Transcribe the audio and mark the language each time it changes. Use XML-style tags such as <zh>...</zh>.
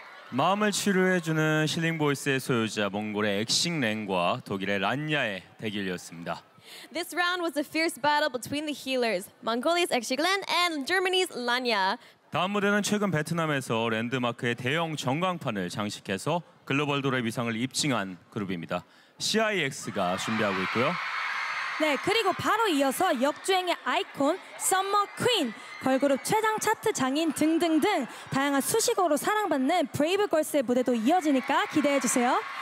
<ko>마음을 치료해주는 힐링 보이스의 소유자 몽골의 엑싱랭과 독일의 란야의 대결이었습니다.</ko> <en>This round was a fierce battle between the healers, Mongolia's Egshiglen and Germany's Lanya.</en> <ko>다음 무대는 최근 베트남에서 랜드마크의 대형 전광판을 장식해서 글로벌 도레 위상을 입증한 그룹입니다. CIX가 준비하고 있고요. 네, 그리고 바로 이어서 역주행의 아이콘, 썸머 퀸, 걸그룹 최장 차트 장인 등등등 다양한 수식어로 사랑받는 브레이브 걸스의 무대도 이어지니까 기대해주세요.</ko>